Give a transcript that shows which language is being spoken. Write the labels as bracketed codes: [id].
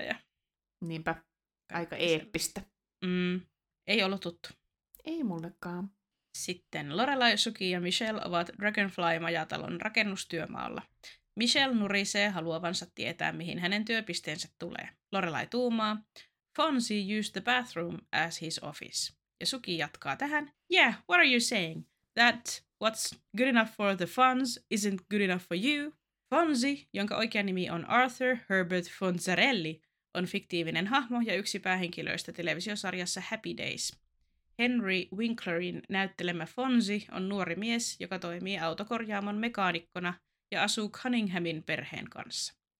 [fi] Ja. Niinpä, aika eeppistä. Ei ollut tuttu. Ei mullekaan. Sitten Lorelai, Suki ja Michelle ovat Dragonfly-majatalon rakennustyömaalla. Michelle nurisee haluavansa tietää, mihin hänen työpisteensä tulee. Lorelai tuumaa, [en] "Fonzie used the bathroom as his office." [fi] Ja Suki jatkaa tähän, [en] "Yeah, what are you saying? That what's good enough for the Fonz isn't good enough for you." [fi] Fonzie, jonka oikea nimi on Arthur Herbert Fonzarelli, on fiktiivinen hahmo ja yksi päähenkilöistä televisiosarjassa Happy Days. Henry Winklerin näyttelemä Fonzie on nuori mies, joka toimii autokorjaamon mekaanikkona ja asuu Cunninghamin perheen kanssa.